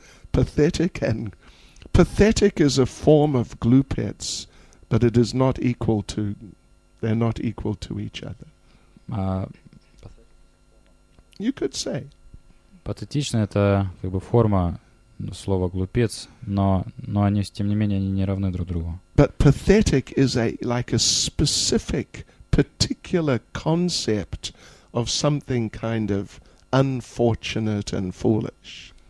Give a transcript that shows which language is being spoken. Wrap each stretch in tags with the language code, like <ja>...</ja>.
<en>Pathetic and pathetic is a form of glupets, but it is not equal to, they're not equal to each other. You could say.</en> <ru>Патетично — это как бы форма слова глупец, но они, тем не менее, они не равны друг другу.</ru> <en>But pathetic is a like a specific, particular concept of something kind of unfortunate and foolish.</en>